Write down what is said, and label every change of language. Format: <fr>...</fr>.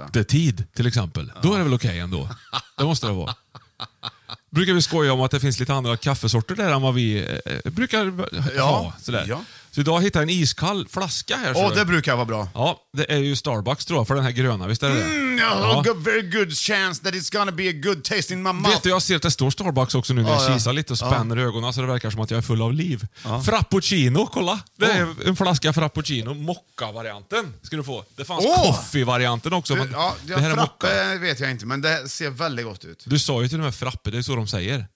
<sv>Nattetid till exempel. Ja. Då är det väl okej ändå. Det måste det vara. Brukar vi skoja om att det finns lite andra kaffesorter där än vad vi brukar ha. Sådär. Ja. Så idag hittar jag en iskall flaska här. Åh, det brukar vara bra. Ja, det är ju Starbucks tror jag, för den här gröna, visst är det?</sv> <en>A very good chance that it's gonna be a good taste in my mouth.</en> <sv>Vet du, jag ser att det står Starbucks också nu när jag kisar lite och spänner ögonen så det verkar som att jag är full av liv. Ja. Frappuccino, kolla. Det är en flaska frappuccino, mocka-varianten ska du få. Det fanns coffee-varianten också. Men det här frappe är vet jag inte, men det ser väldigt gott ut. Du sa ju till och med frappe, det är så de säger.</sv>